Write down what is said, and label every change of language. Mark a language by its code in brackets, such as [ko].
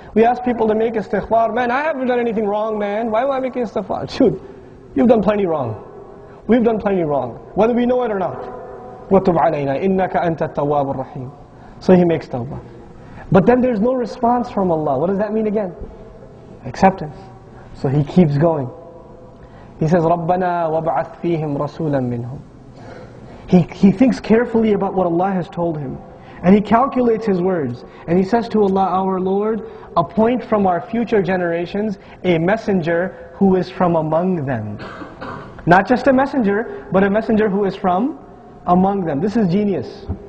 [en] We ask people to make istighfar. Man, I haven't done anything wrong, man. Why am I making istighfar? Dude, you've done plenty wrong. We've done plenty wrong. Whether we know it or not. [ar] وَتُبْ عَلَيْنَا. إِنَّكَ أَنْتَ التَّوَّابُ الرَّحِيمُ. [en] So he makes tawbah. But then there's no response from Allah. What does that mean again? Acceptance. So he keeps going. He says, [ar] رَبَّنَا وَبْعَثْ فِيهِمْ رَسُولًا مِّنْهُمْ. [en] He thinks carefully about what Allah has told him. And he calculates his words. And he says to Allah, our Lord, appoint from our future generations a messenger who is from among them. Not just a messenger, but a messenger who is from among them. This is genius.